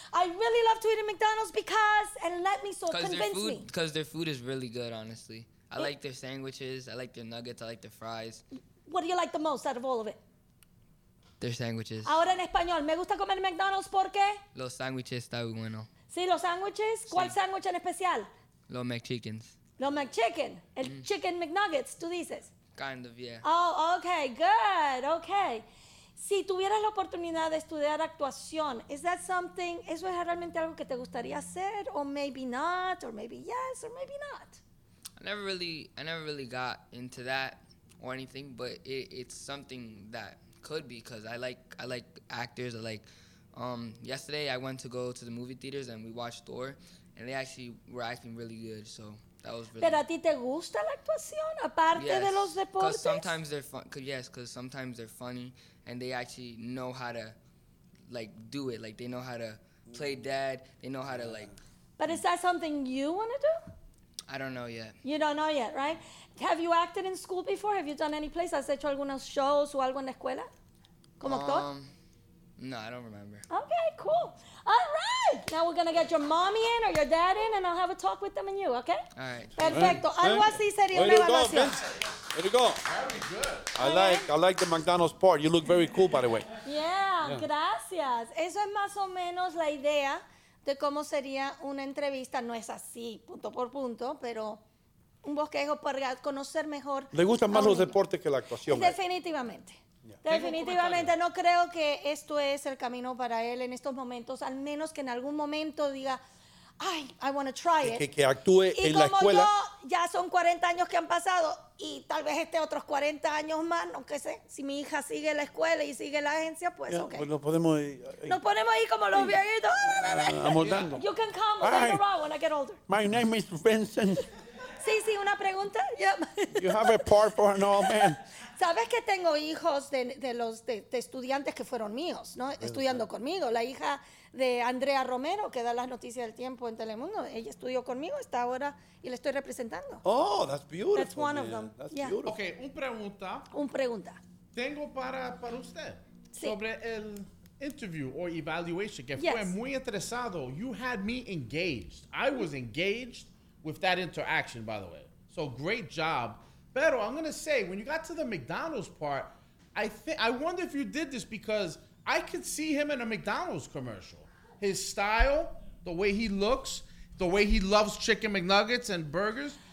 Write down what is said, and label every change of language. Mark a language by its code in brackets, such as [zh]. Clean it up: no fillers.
[en] I really love to eat at McDonald's because, and let me so convince food, me. Because their food is really good, honestly. I like their sandwiches. I like their nuggets. I like their fries. What do you like the most out of all of it? Their sandwiches. [es] Ahora en español, me gusta comer McDonald's porque los sándwiches están muy bueno. Sí, los sándwiches. ¿Cuál sándwich en especial? Los McChickens. Los McChicken. El chicken McNuggets, tú dices. [en] Kind of, yeah. Oh, okay, good, okay. [es] Si tuvieras la oportunidad de estudiar actuación, [en] is that something? [es] ¿Eso es realmente algo que te gustaría hacer? [en] Or maybe not, or maybe yes, or maybe not. I never really got into that or anything, but it's something that could be, because I like actors. I like yesterday I went to go to the movie theaters and we watched Thor, and they actually were acting really good, so that was really. [es] Pero a ti te gusta la actuación aparte de los deportes? [en] Because sometimes they're fun. Yes, because sometimes they're funny and they actually know how to like do it. Like they know how to play dead. They know how to like. But is that something you want to do? I don't know yet. You don't know yet, right? Have you acted in school before? Have you done any plays? [es] ¿Has hecho algunos shows o algo en la escuela? ¿Como actor? [en] No, I don't remember. Okay, cool. All right. Now we're going to get your mommy in or your dad in, and I'll have a talk with them and you, okay? All right. [es] Perfecto. Algo así sería una evaluación. [en] There you go. Very good. I like the McDonald's part. You look very cool, by the way. Yeah, [es] gracias. Eso es más o menos la idea de cómo sería una entrevista. No es así, punto por punto, pero un bosquejo para conocer mejor. ¿Le gustan más los deportes que la actuación? Definitivamente. Definitivamente. No creo que esto es el camino para él en estos momentos, al menos que en algún momento diga, ay, [en] I want to try it. [es] Que actúe en la escuela. Y como yo, ya son 40 años que han pasado, y tal vez esté otros 40 años más, no que sé, si mi hija sigue la escuela y sigue la agencia, pues ya, ok. Pues nos podemos ir. Nos ponemos ahí como los viejitos. Amoldando. [en] You can come with me around when I get older. My name is Vincent. [es] Sí, sí, una pregunta. [en] Yep. You have a part for an old man. [es] Sabes que tengo hijos de los estudiantes que fueron míos, ¿no? [en] Really? [es] Estudiando conmigo. La hija de Andrea Romero, que da las noticias del tiempo en Telemundo, ella estudió conmigo, está ahora y la estoy representando. [en] Oh, that's beautiful. That's one of them. [es] Okay, un pregunta. Un pregunta. tengo para usted sí. sobre el interview [en] or evaluation [es] que [en] yes. [es] fue muy interesado. [en] You had me engaged. I was engaged with that interaction, by the way. So great job. [es] Pero [en] I'm going to say, when you got to the McDonald's part, I wonder if you did this because I could see him in a McDonald's commercial. His style, the way he looks, the way he loves chicken McNuggets and burgers.